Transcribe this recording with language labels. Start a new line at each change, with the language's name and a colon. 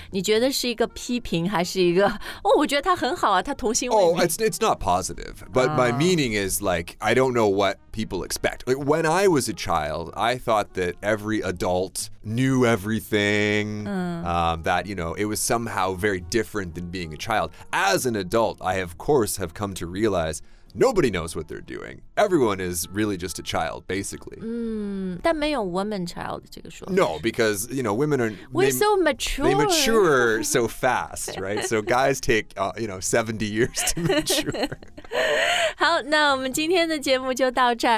Chinese: 你觉得是一个批评还是一个，哦，我觉得他很好啊，他童心未泯。
English: Oh, it's not positive. But my meaning is like, I don't know what people expect. Like, when I was a child, I thought that every adult knew everything, that, you know, it was somehow very different than being a child. As an adult, I, of course, have come to realize nobody knows what they're doing. Everyone is really just a child, basically.
Chinese: 但没有
English: woman child
Chinese: 这个说法。
English: No, because, you know, women are... We're so mature. They mature so fast, right? So guys take, you know, 70 years to mature.
Chinese: 好，那我们今天的节目就到这儿。